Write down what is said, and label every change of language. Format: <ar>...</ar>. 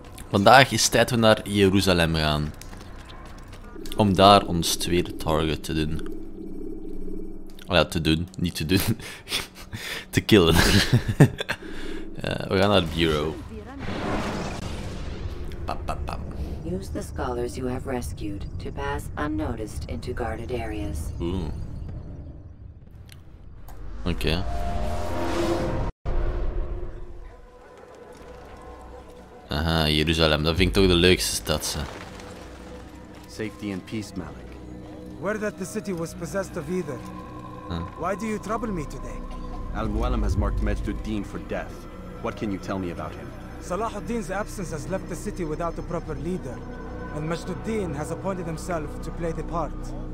<nl>Vandaag is tijd we naar Jeruzalem gaan. Om daar ons tweede target te doen. Oh ja, te doen. Niet te doen. Te killen. Ja, we gaan naar het bureau. Pam, pam, pam.</nl> <en>Use the scholars you have rescued to pass unnoticed into guarded areas.</en> <nl>Oké. Aha, Jeruzalem, dat vind ik toch de leukste stad, ze.</nl> <en>Safety and peace, Malik. Where that the city was possessed of either. Why do you trouble me today? Al-Mualim has marked Majd Addin for death. What can you tell me about him? Salah al-Din's absence has left the city without a proper leader, and Majd Addin has appointed himself to play the part.</en>